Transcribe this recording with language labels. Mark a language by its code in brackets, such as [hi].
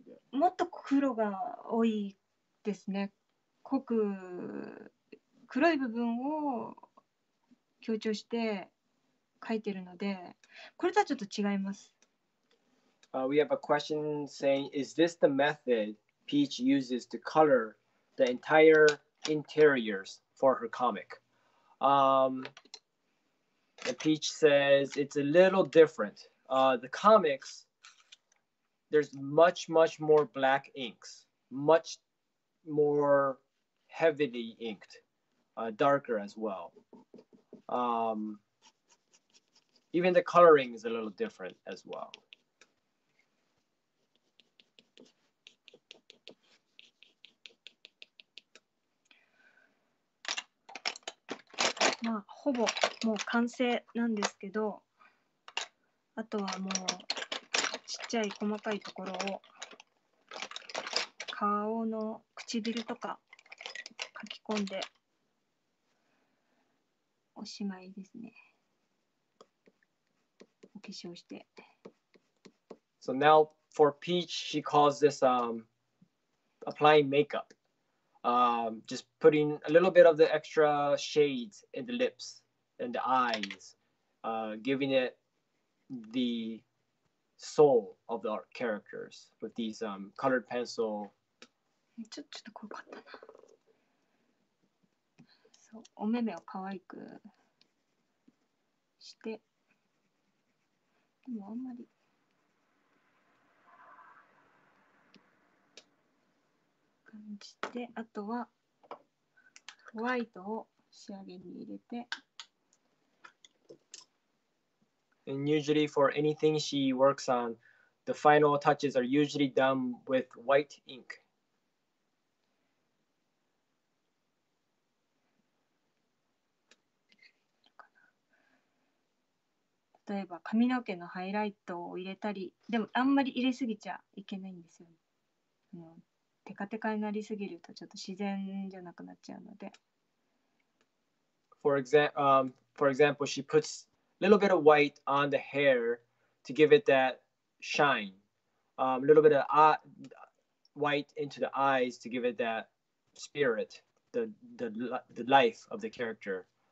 [ja] もっと黒が多いですね。濃く黒い部分を強調して描いてるので、これとはちょっと違います。 [en] We have a question saying, is this the method Peach uses to color the entire interiors for her comic? And Peach says it's a little different. The comics, there's much, much more black inks, much more heavily inked, darker as well. Even the coloring is a little different as well. [ja] まあほぼもう完成なんですけど、あとはもうちっちゃい細かいところを顔の唇とか描き込んでおしまいですね。お化粧して。 [en] So now for Peach, she calls this applying makeup. Just putting a little bit of the extra shades in the lips and the eyes, giving it the soul of the art characters with these colored pencil. [ja] ちょっと濃かったな。そう、お目目を可愛くして、でもあんまり。感じて、あとはホワイトを仕上げに入れて。 [en] And usually for anything she works on, The final touches are usually done with white ink. [ja] 例えば髪の毛のハイライトを入れたり、でもあんまり入れすぎちゃいけないんですよ、ね。テカテカになりすぎるとちょっと自然じゃなくなっちゃうので。 [en] For example, she puts a little bit of white on the hair to give it that shine. A little bit of white into the eyes to give it that spirit, the life of the character.